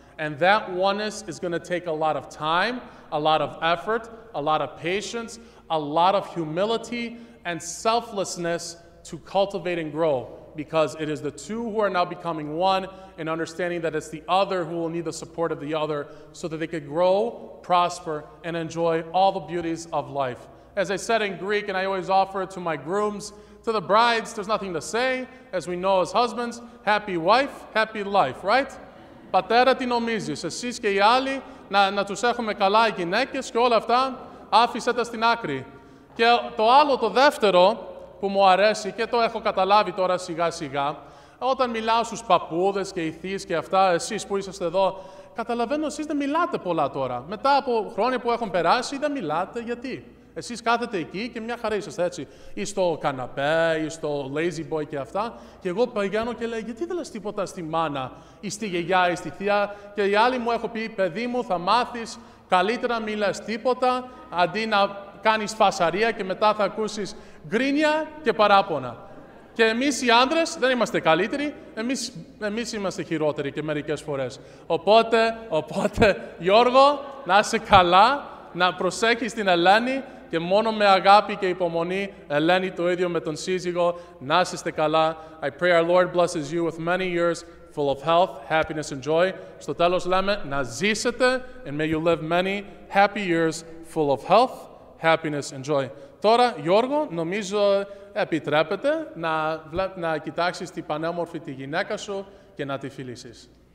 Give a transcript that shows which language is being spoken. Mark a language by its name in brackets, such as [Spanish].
[English] And that oneness is gonna take a lot of time, a lot of effort, a lot of patience, a lot of humility and selflessness to cultivate and grow, because it is the two who are now becoming one and understanding that it's the other who will need the support of the other so that they could grow, prosper, and enjoy all the beauties of life. As I said in Greek, and I always offer it to my grooms, to the brides, there's nothing to say. As we know as husbands, happy wife, happy life, right? [Greek] Πατέρα, τι νομίζεις, εσείς και οι άλλοι, να τους έχουμε καλά οι γυναίκες και όλα αυτά, άφησέ τα στην άκρη. Και το άλλο, το δεύτερο, που μου αρέσει και το έχω καταλάβει τώρα σιγά-σιγά, όταν μιλάω στους παππούδες και οι θείες και αυτά, εσείς που είσαστε εδώ, καταλαβαίνω εσείς δεν μιλάτε πολλά τώρα. Μετά από χρόνια που έχουν περάσει, δεν μιλάτε. Γιατί? Εσείς κάθετε εκεί και μια χαρά είσαστε έτσι. Ή στο καναπέ, ή στο lazy boy και αυτά. Και εγώ πηγαίνω και λέω, γιατί δεν λες τίποτα στη μάνα, ή στη γιαγιά, ή στη θεία. Και οι άλλοι μου έχουν πει, παιδί μου, θα μάθεις καλύτερα να μιλάς τίποτα, αντί να κάνεις φασαρία και μετά θα ακούσεις γκρίνια και παράπονα. Και εμείς οι άντρες δεν είμαστε καλύτεροι, εμείς είμαστε χειρότεροι και μερικές φορές. Οπότε, Γιώργο, να είσαι καλά, να προσέχεις την Ελένη και μόνο με αγάπη και υπομονή, Ελένη, το ίδιο με τον σύζυγο, να είστε καλά. [English] I pray our Lord blesses you with many years full of health, happiness and joy. [Greek] Στο τέλος λέμε να ζήσετε [English] and may you live many happy years full of health, happiness and joy. [Greek] Τώρα, Γιώργο, νομίζω επιτρέπεται να κοιτάξεις την πανέμορφη τη γυναίκα σου και να τη φιλήσεις.